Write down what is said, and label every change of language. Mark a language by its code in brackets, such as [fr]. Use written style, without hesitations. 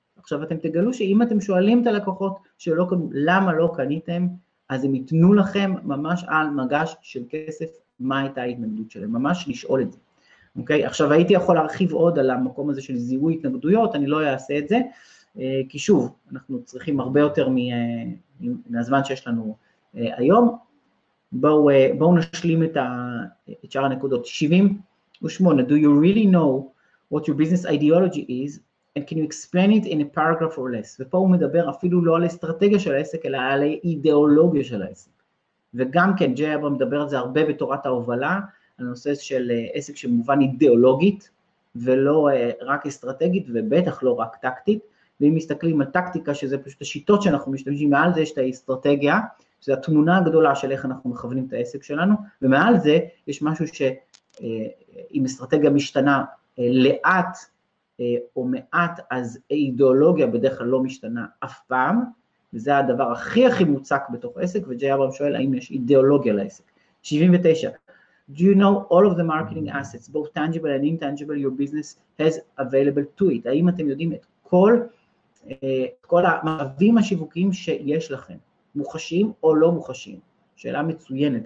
[he] עכשיו אתם תגלו שאם אתם שואלים את הלקוחות שלא קנו, למה לא קניתם, אז הם ייתנו לכם ממש על מגש של כסף, מה הייתה ההתנגדות שלהם, ממש לשאול את זה. אוקיי? עכשיו הייתי יכול להרחיב עוד על המקום הזה של זיהוי התנגדויות, אני לא אעשה את זה, כי שוב, אנחנו צריכים הרבה יותר מהזמן שיש לנו היום. בואו נשלים את שאר הנקודות. 70 ושמונה, [en] do you really know what your business ideology is and can you explain it in a paragraph or less? [he] ופה הוא מדבר אפילו לא על אסטרטגיה של העסק, אלא על האידיאולוגיה של העסק. וגם כן, ג'י אברהם מדבר על זה הרבה בתורת ההובלה, הנושא של עסק שמובן אידיאולוגית, ולא רק אסטרטגית, ובטח לא רק טקטית. ואם מסתכלים על טקטיקה, שזה פשוט השיטות שאנחנו משתמשים, מעל זה יש את האסטרטגיה, שזה התמונה הגדולה של איך אנחנו מכוונים את העסק שלנו, ומעל זה יש משהו ש... אם אסטרטגיה משתנה לאט או מעט, אז אידיאולוגיה בדרך כלל לא משתנה אף פעם, וזה הדבר הכי הכי מוצק בתוך עסק, וג'י אברהם שואל האם יש אידיאולוגיה לעסק. 79. [en] Do you know all of the marketing assets, both tangible and intangible, your business has available to it? [he] האם אתם יודעים את כל המעבים השיווקיים שיש לכם, מוחשים או לא מוחשים? שאלה מצוינת.